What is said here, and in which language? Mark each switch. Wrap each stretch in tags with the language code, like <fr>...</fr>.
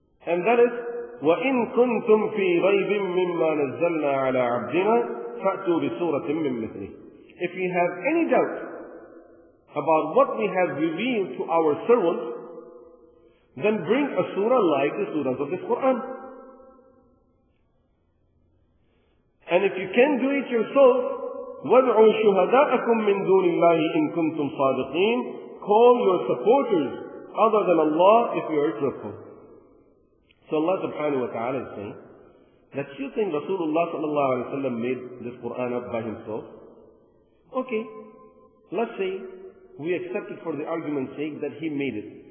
<en>And that is,</en> <ar>وَإِن كُنْتُمْ فِي غَيْبٍ مِمَّا نَزَّلْنَا عَلَىٰ عَبْدِنَا فَأْتُوا بِسُورَةٍ مِّن مِثْلِهِ.</ar> <en>If you have any doubt about what we have revealed to our servants, then bring a surah like the surahs of this Quran. And if you can do it yourself,</en> <ar>وَدْعُوا شُهَدَاءَكُمْ مِنْ دُونِ اللَّهِ إِن كُنْتُمْ صَادِقِينَ.</ar> <en>Call your supporters other than Allah if you are truthful. So Allah subhanahu wa ta'ala is saying that you think Rasulullah sallallahu alayhi wa sallam made this Quran up by himself? Okay, let's say we accept it for the argument's sake that he made it.</en>